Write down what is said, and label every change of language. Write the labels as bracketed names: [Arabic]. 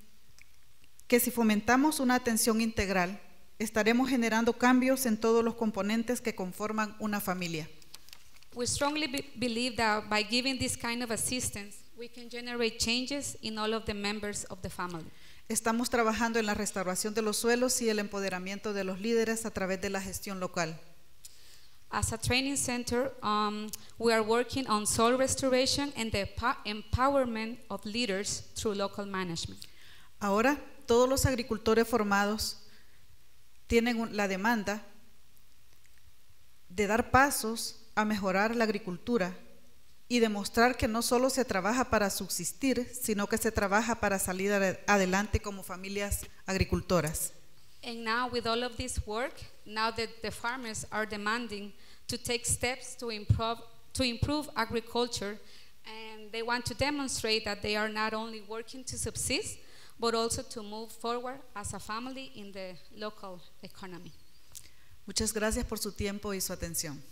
[Spanish] Creemos que si fomentamos una atención integral, estaremos generando cambios en todos los componentes que conforman una familia. [English] We strongly believe that by giving this kind of assistance, we can generate changes in all of the members of the family. [Spanish] Estamos trabajando en la restauración de los suelos y el empoderamiento de los líderes a través de la gestión local. [English] As a training center, we are working on soil restoration and the empowerment of leaders through local management. [Spanish] Ahora, todos los agricultores formados tienen la demanda de dar pasos a mejorar la agricultura y demostrar que no solo se trabaja para subsistir, sino que se trabaja para salir adelante como familias agricultoras. [English] And now with all of this work, now that the farmers are demanding to take steps to improve agriculture, and they want to demonstrate that they are not only working to subsist, but also to move forward as a family in the local economy. [Spanish] Muchas gracias por su tiempo y su atención.